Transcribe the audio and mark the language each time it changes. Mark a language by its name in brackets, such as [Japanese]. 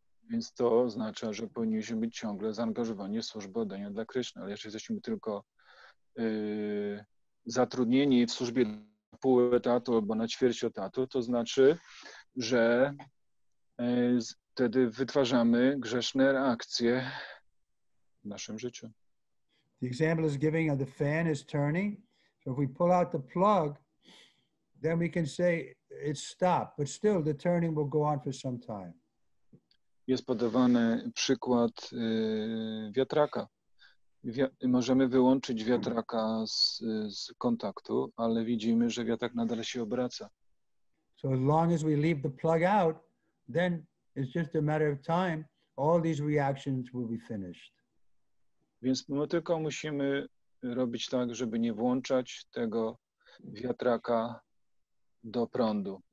[Polish] Więc to oznacza, że powinniśmy być ciągle zaangażowani w służbę oddania dla Kryszny. Ale jeśli jesteśmy tylko zatrudnieni w służbie na pół etatu albo na ćwierć etatu, to znaczy, że wtedy wytwarzamy grzeszne reakcje w naszym życiu. [English] The example is giving of the fan is turning. So if we pull out the plug, then we can say it's stopped. But still, the turning will go on for some time. [Polish] Jest podawany przykład wiatraka. Możemy wyłączyć wiatraka z kontaktu, ale widzimy, że wiatrak nadal się obraca. [English] So as long as we leave the plug out, then it's just a matter of time. All these reactions will be finished. [Polish] Więc my tylko musimy robić tak, żeby nie włączać tego wiatraka do prądu.